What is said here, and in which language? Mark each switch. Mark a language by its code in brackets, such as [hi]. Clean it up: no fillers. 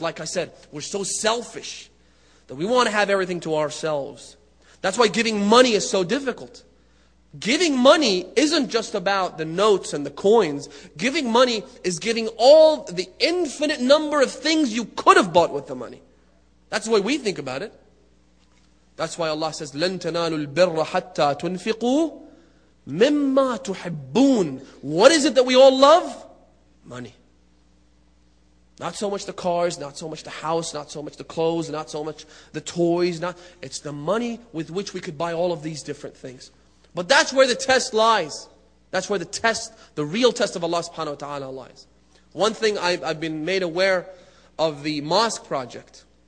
[en] Like I said, we're so selfish that we want to have everything to ourselves. That's why giving money is so difficult. Giving money isn't just about the notes and the coins. Giving money is giving all the infinite number of things you could have bought with the money. That's the way we think about it. That's why Allah says, [ar] لَن تَنَالُوا الْبِرَّ حَتَّى تُنْفِقُوا مِمَّا تُحِبُّونَ. [en] What is it that we all love? Money. Not so much the cars, not so much the house, not so much the clothes, not so much the toys. It's the money with which we could buy all of these different things. But that's where the test lies. That's where the real test of Allah subhanahu wa ta'ala lies. One thing, I've been made aware of the mosque project.